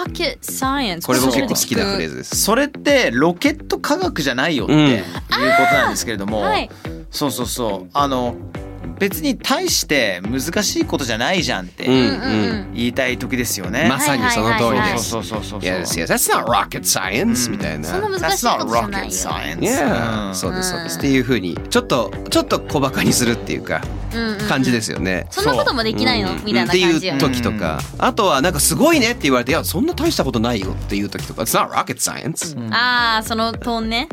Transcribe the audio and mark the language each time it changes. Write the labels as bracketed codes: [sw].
[en] Rocket science、 [ja] これも結構好きなフレーズです、それってロケット科学じゃないよっていうことなんですけれども、はい、そうそうそう、あの別に大して難しいことじゃないじゃんって言いたい時ですよね、うんうん、まさにその通りです、はいはいはいはい、そうそうそうそう [en] Yes, yes, that's not rocket science、 [ja] うん、みたいな、そんな難しいことじゃないよ、 [en] That's not rocket science、 [ja] Yeah、うん、そうですそうです、うん、っていう風にちょっと小バカにするっていうか、うんうんうん、感じですよね、そんなこともできないの、うん、みたいな感じよ、っていう時とか、うん、あとはなんかすごいねって言われて、いやそんな大したことないよっていう時とか、 [en] It's not rocket science、 [ja] うん、あーそのトーンね、